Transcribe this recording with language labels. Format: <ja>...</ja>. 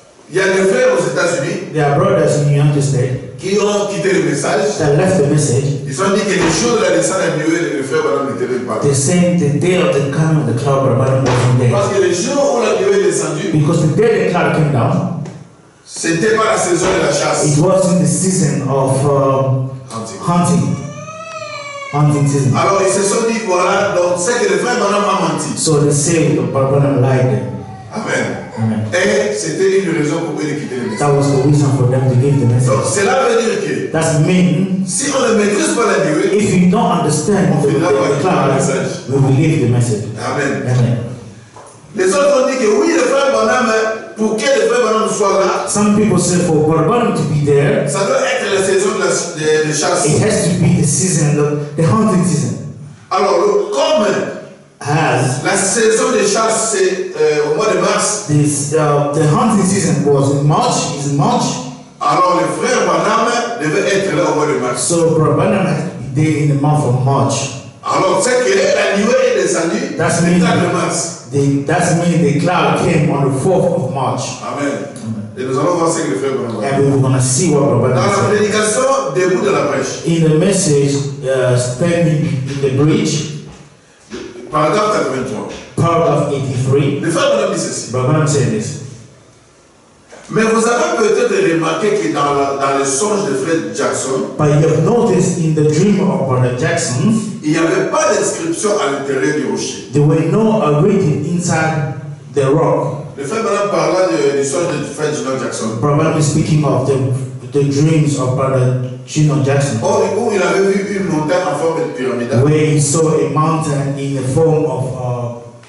<fr>Il y a des frères aux États-Unis.</fr> <en>There are brothers in the United States.</en> <fr>Qui ont quitté le message.</fr> <en>They left the message.</en> <fr>Ils ont dit que le jour de la descente de la nuée de frère Branham n'était pas.</fr> <en>They said the day of the coming of the cloud of Branham was in there.</en> <fr>Parce que le jour où la nuée est descendue.</fr> <en>Because the day the cloud came down.</en> <fr>C'était pas la saison de la chasse.</fr> <en>It was in the season of hunting. Hunting season.</en> <fr>Alors ils se sont dit voilà donc c'est que le frère Branham a menti.</fr> <en>So they say the Branham lied.</en> <fr>Amen.</fr> <en>Amen.</en> <fr>Et c'était une raison pour eux de quitter le message.</fr> <en>That was the reason for them to give the message.</en> <fr>Donc cela veut dire que.</fr> <en>That means.</en> <fr>Si on ne maîtrise pas la durée.</fr> <en>If you don't understand the cloud, we will leave the message.</en> <fr>Amen.</fr> <en>Amen.</en> <fr>Les autres ont dit que oui le frère Branham. Pour que le frère Branham soit là.</fr> <en>Some people say for Brother Branham to be there.</en> <fr>Ça doit être la saison de la de chasse.</fr> <en>It has to be the season, the hunting season.</en> <fr>Alors comme</fr> <en>as</en> <fr>la saison de chasse c'est au mois de mars.</fr> <en>This the hunting season was in March. Is in March.</en> <fr>Alors le frère Branham devait être là au mois de mars.</fr> <en>So Brother Branham had to be there in the month of March.</en> <fr>Alors c'est que la nuée est descendue.</fr> <en>That's le mean,</en> <fr>de mars.</fr> <en>That means the cloud came on the 4th of March.</en> <fr>Amen. Et nous allons voir ce que le frère Branham.</fr> <en>And we're going to see what Brother Branham</en> <fr>dans la prédication, debout de la prêche.</fr> <en>In the message, standing in the bridge. Paragraph 83. Paragraph 83.</en> <fr>Le frère Branham dit ceci.</fr> <en>Brother Branham said this.</en> <fr>Mais vous avez peut-être remarqué que dans le songe de Fred Jackson.</fr> <en>But you have noticed in the dream of Brother Jackson.</en> <fr>Il n'y avait pas d'inscription à l'intérieur du rocher.</fr> <en>There were no written inside the rock.</en> <fr>Le frère Branham parlait du songe de Fred Gino Jackson.</fr> <en>Probably speaking of the dreams of Brother Gino Jackson.</en> <fr>Oh, où il avait vu une montagne en forme de pyramide.</fr> <en>Where he saw a mountain in the form of</en>